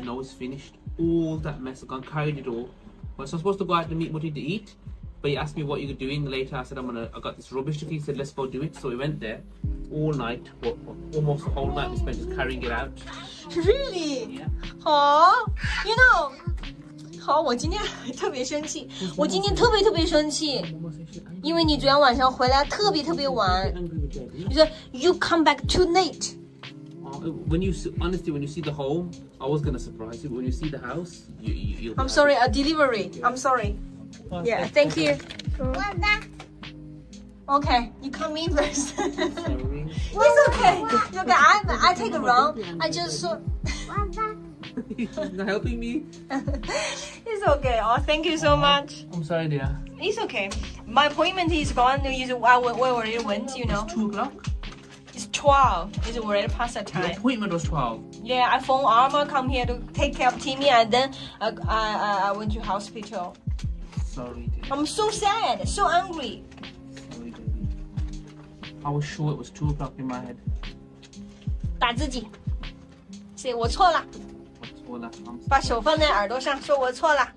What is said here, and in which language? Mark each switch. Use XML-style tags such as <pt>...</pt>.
<en>No, it's finished. All that mess, I've gone, carried it all. Well, so I'm supposed to go out to meet Mutti to eat, but he asked me what you're doing later. I said, I got this rubbish to clean. He said, let's go do it. So we went there all night, almost the whole night we spent just carrying it out. Really? Yeah. Oh, you know.</en> <zh>好，我今天特别生气，我今天特别特别生气，因为你昨天晚上回来特别特别晚。你说</zh> <en>you come back too late. When you see the home, I was gonna surprise you. But when you see the house, you. I'm sorry, a delivery. I'm sorry. Yeah, thank you. Okay, you come in first. It's okay. Okay, I take it wrong. I just saw. He's not helping me. It's okay. Oh, thank you so much. I'm sorry, dear. It's okay. My appointment is gone. Where went, you know? It's 2 o'clock. It's 12. It's already past the time. Your appointment was 12. Yeah, I phoned Arma, come here to take care of Timmy, and then I went to hospital. Sorry, dear. I'm so sad, so angry. Sorry, dear. I was sure it was 2 o'clock in my head.</en> <zh>打自己。</zh> <en>See,</en> <zh>我错了。把手放在耳朵上，说我错了。</zh>